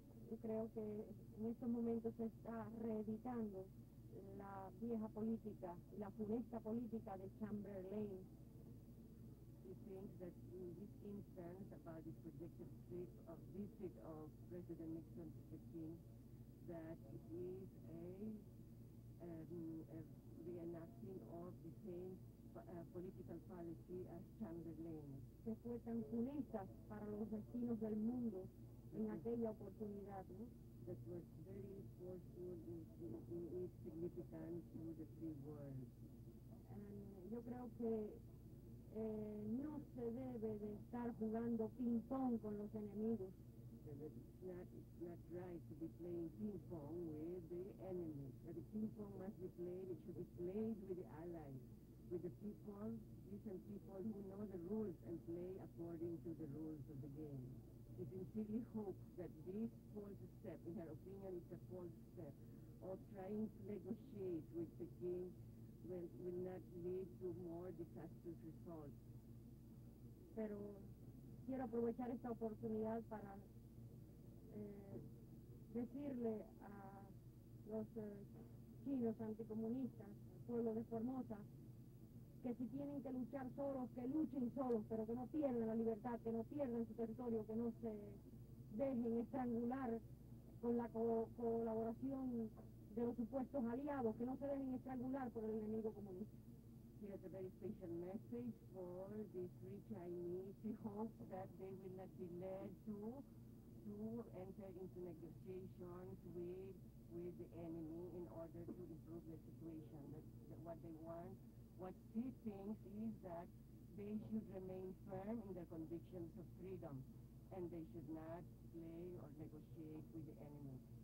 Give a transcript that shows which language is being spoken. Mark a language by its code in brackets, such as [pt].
[es] Yo creo que en estos momentos se está reeditando la vieja política, la funesta política de Chamberlain. [en] He thinks that in this instance about this projected trip of visit of President Nixon to Beijing, that it is a reenacting of the same political policy as Chamberlain. [es] Que fue tan funesta para los vecinos del mundo en aquella oportunidad, ¿no? [en] That was very forceful in its significance to the free world. And [es] yo creo que no se debe de estar jugando ping pong con los enemigos. [en] It's not right to be playing ping pong with the enemies. But the ping pong must be played, it should be played with the allies, with the people, decent people who know the rules and play according to the rules of the game. He sincerely hopes that this false step, in her opinion, is a false step, of trying to negotiate with the king will not lead to more disastrous results. [es] Pero quiero aprovechar esta oportunidad para decirle a los chinos anticomunistas, al pueblo de Formosa, que si tienen que luchar solos, que luchen solos, pero que no pierdan la libertad, que no pierdan su territorio, que no se dejen estrangular con la colaboración de los supuestos aliados, que no se dejen estrangular por el enemigo comunista. [en] He has a very special message for the three Chinese. He hopes that they will not be led to enter into negotiations with the enemy in order to improve the situation. That's what they want. What he thinks is that they should remain firm in their convictions of freedom and they should not play or negotiate with the enemy.